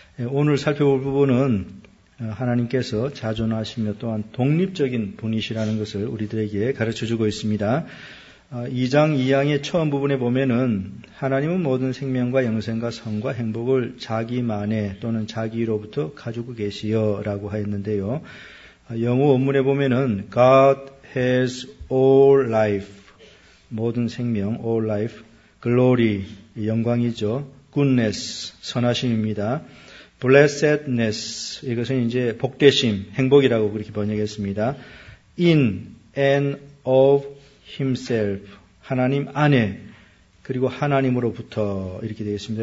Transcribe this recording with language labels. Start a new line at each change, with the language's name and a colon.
Korean: 오늘 살펴볼 부분은 하나님께서 자존하시며 또한 독립적인 분이시라는 것을 우리들에게 가르쳐주고 있습니다. 2장 2항의 처음 부분에 보면은 하나님은 모든 생명과 영생과 성과 행복을 자기만에 또는 자기로부터 가지고 계시어라고 하였는데요. 영어 원문에 보면은
English: God has all life,
Korean: 모든 생명,
English: all life, glory,
Korean: 영광이죠. Goodness, 선하심입니다. Blessedness, 이것은 이제 복되심, 행복이라고 그렇게 번역했습니다.
English: In and of himself,
Korean: 하나님 안에, 그리고 하나님으로부터 이렇게 되겠습니다.